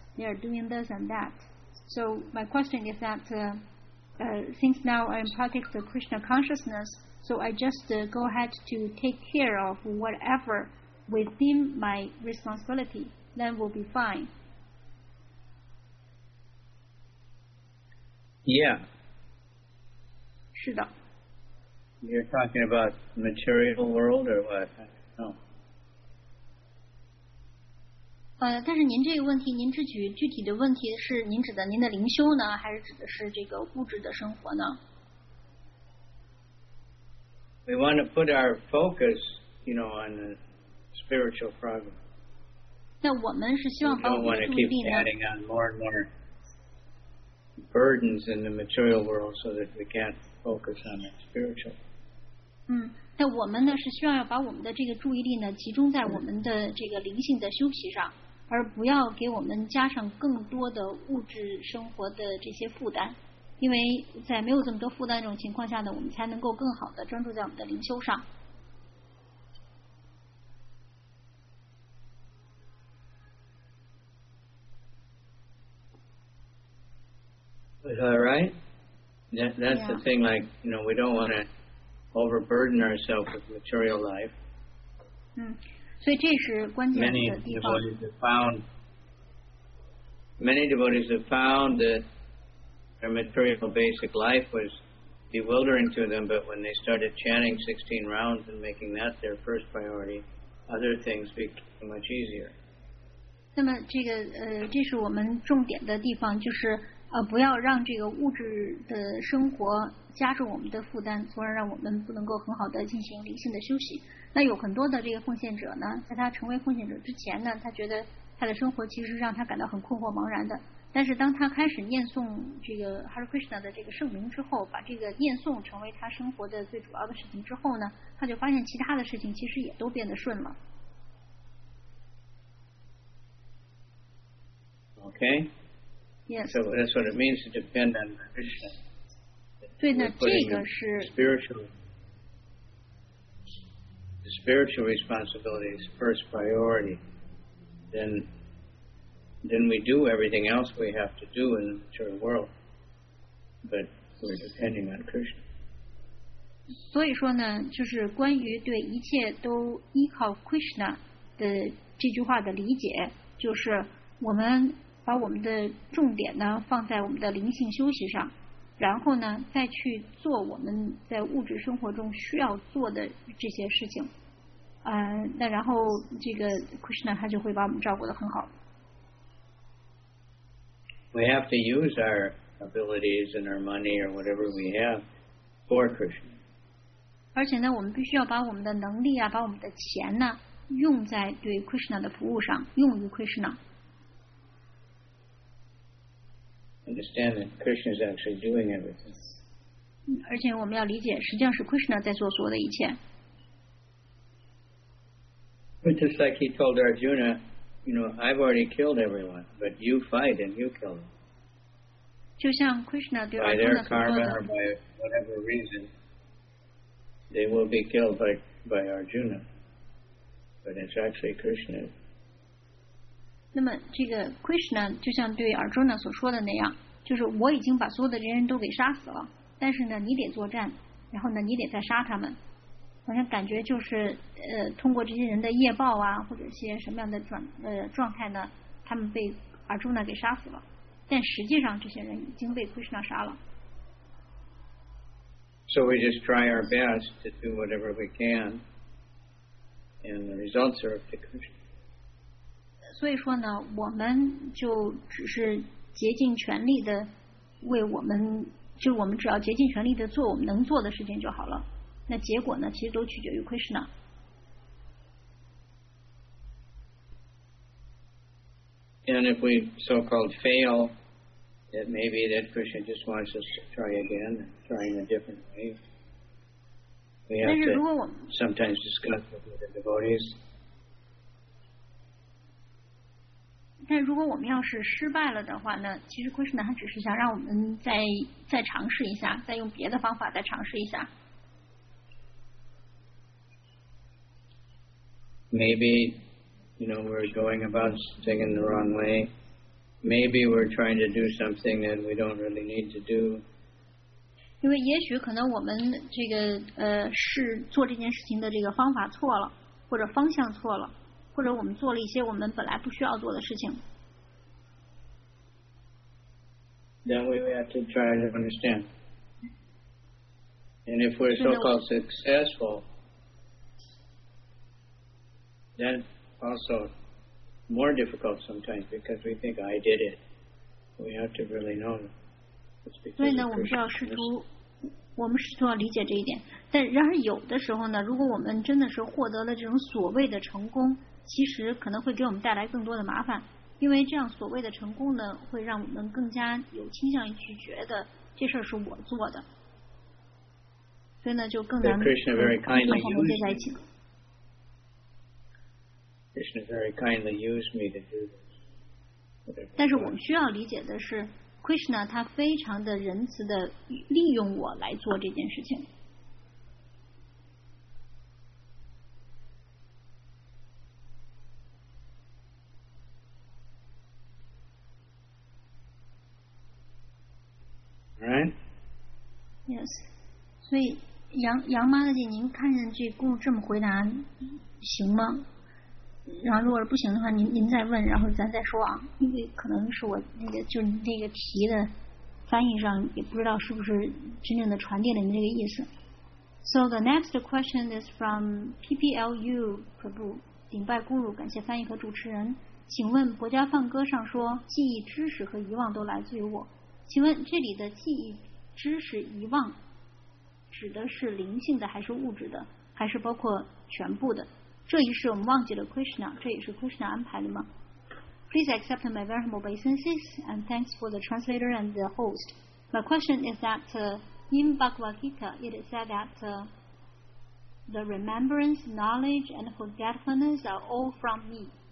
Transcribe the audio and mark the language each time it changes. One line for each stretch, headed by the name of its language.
English: They are doing this and that. So my question is that since now I'm practicing the Krishna consciousness, so I just go ahead to take care of whatever within my responsibility, then we'll be fine. Yeah.
Chinese: 是的。
English: You're talking about material world or what? No.
Chinese: 但是您这个问题，您指具体的问题是您指的您的灵修呢，还是指的是这个物质的生活呢？
English: We want to put our focus, you know, on the spiritual progress.
Chinese: 那我们是希望把我们的注意力呢。
English: We don't want to keep adding on more and more burdens in the material world so that we can't focus on the spiritual.
Chinese: 那我们呢是希望要把我们的这个注意力呢集中在我们的这个灵性的修习上，而不要给我们加上更多的物质生活的这些负担，因为在没有这么多负担这种情况下呢，我们才能够更好的专注在我们的灵修上。
English: Is that right? That's the thing, like, you know, we don't want to overburden ourselves with material life.
Chinese: 所以这是关键的地方。
English: Many devotees have found that their material basic life was bewildering to them, but when they started chanting 16 rounds and making that their first priority, other things became much easier.
Chinese: 那么这个这是我们重点的地方，就是不要让这个物质的生活加重我们的负担，从而让我们不能够很好的进行灵性的休息。那有很多的这个奉献者呢，在他成为奉献者之前呢，他觉得他的生活其实让他感到很困惑茫然的，但是当他开始念诵这个 Hare Krishna 的这个圣名之后，把这个念诵成为他生活的最主要的事情之后呢，他就发现其他的事情其实也都变得顺了。
English: OK Yes. So that's what it means to depend on Krishna.
Chinese: 对呢，这个是
English: spiritual responsibility is first priority. Then we do everything else we have to do in the material world, but we're depending on Krishna.
Chinese: 所以说呢，就是关于对一切都依靠 Krishna 的这句话的理解，就是我们把我们的重点呢放在我们的灵性休息上，然后呢再去做我们在物质生活中需要做的这些事情，那然后这个 Krishna 他就会把我们照顾得很好。
English: We have to use our abilities and our money or whatever we have for Krishna.
Chinese: 而且呢，我们必须要把我们的能力啊，把我们的钱呢，用在对 Krishna 的服务上，用于 Krishna。
English: Understand that Krishna is actually doing everything.
Chinese: 而且我们要理解，实际上是 Krishna 在做所有的一切。
English: But just like he told Arjuna, you know, I've already killed everyone, but you fight and you kill them.
Chinese: 就像 Krishna 对
English: By their karma or by whatever reason, they will be killed by Arjuna. But it's actually Krishna.
Chinese: 那么这个 Krishna 就像对 Arjuna 所说的那样，就是我已经把所有的人都给杀死了，但是呢你得作战，然后呢你得再杀他们，好像感觉就是通过这些人的业报啊，或者些什么样的状态呢，他们被 Arjuna 给杀死了，但实际上这些人已经被 Krishna 杀了。
English: So we just try our best to do whatever we can and the results are up to Krishna.
Chinese: 所以说呢，我们就只是竭尽全力的为我们，就我们只要竭尽全力的做我们能做的事情就好了。那结果呢，其实都取决于 Krishna。
English: And if we so-called fail, it may be that Krishna just wants us to try again, trying a different way. We have to sometimes discuss with the devotees.
Chinese: 但如果我们要是失败了的话呢，其实 Krishna 他只是想让我们再尝试一下，再用别的方法再尝试一下。
English: Maybe, you know, we're going about something in the wrong way. Maybe we're trying to do something that we don't really need to do.
Chinese: 因为也许可能我们这个是做这件事情的这个方法错了，或者方向错了。或者我们做了一些我们本来不需要做的事情。
English: Then we have to try to understand. And if we're so-called successful, then also more difficult sometimes because we think I did it. We have to really know.
Chinese: 所以呢，我们就要试图。我们试图要理解这一点，但然而有的时候呢，如果我们真的是获得了这种所谓的成功，其实可能会给我们带来更多的麻烦，因为这样所谓的成功呢，会让我们更加有倾向于去觉得这事儿是我做的，所以呢，就更难跟
English: Krishna very kindly used me. Krishna very kindly used me to do this. Whatever.
Chinese: 但是我们需要理解的是。Krishna 他非常的仁慈的利用我来做这件事情。
English: Right? Yes.
Chinese: 所以杨妈的姐，您看见这故这么回答行吗？然后如果不行的话，您再问，然后咱再说啊。因为可能是我那个就那个题的翻译上也不知道是不是真正的传递了您这个意思。
English: So the next question is from PPLU Prabhu,
Chinese: 顶拜咕噜，感谢翻译和主持人。请问《博家梵歌》上说，记忆、知识和遗忘都来自于我。请问这里的记忆、知识、遗忘，指的是灵性的还是物质的，还是包括全部的？这一世我们忘记了 Krishna, 这也是 Krishna 安排的吗？
English: Please accept my very humble obeisances and thanks for the translator and the host. My question is that in Bhagavad Gita, it is said that the remembrance, knowledge, and forgetfulness are all from me.